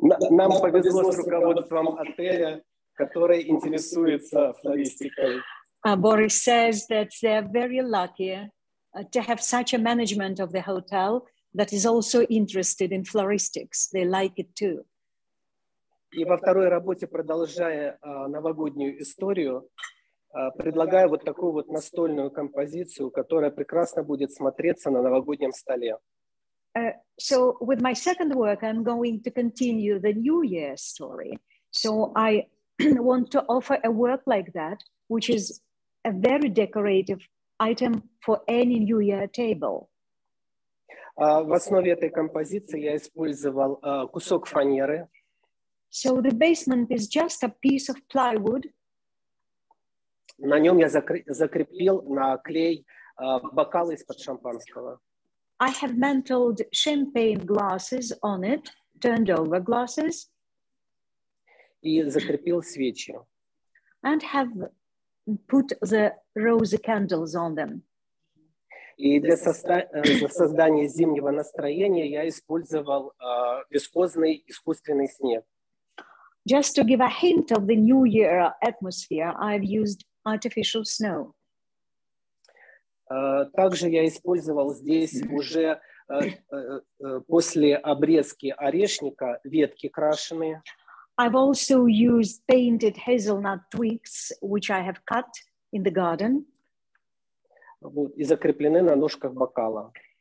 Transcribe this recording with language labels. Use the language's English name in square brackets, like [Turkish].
[Russian] Нам повезло с руководством отеля, который интересуется флористикой. [English] Boris says that they're very lucky to have such a management of the hotel that is also interested in floristics. They like it too. [Russian] И во второй работе, продолжая новогоднюю историю, предлагаю вот такую вот настольную композицию, которая прекрасно будет смотреться на новогоднем столе. [English] So with my second work, I'm going to continue the New Year story. So I want to offer a work like that, which is a very decorative item for any New Year table. [Russian] В основе этой композиции я использовал кусок фанеры. [English] So the basement is just a piece of plywood. [Russian] На нем я закрепил на клей бокалы из-под шампанского. [English] I have mantled champagne glasses on it, turned over glasses. [Russian] И закрепил свечи. [English] And have put the rose candles on them. [Russian] И для создания зимнего настроения я использовал вискозный искусственный снег. [English] Just to give a hint of the New Year atmosphere, I've used artificial snow. [Russian] Также я использовал здесь уже после обрезки орешника ветки крашеные. [English] I've also used painted hazelnut twigs, which I have cut in the garden. [Russian] Вот, и закреплены на ножках бокала.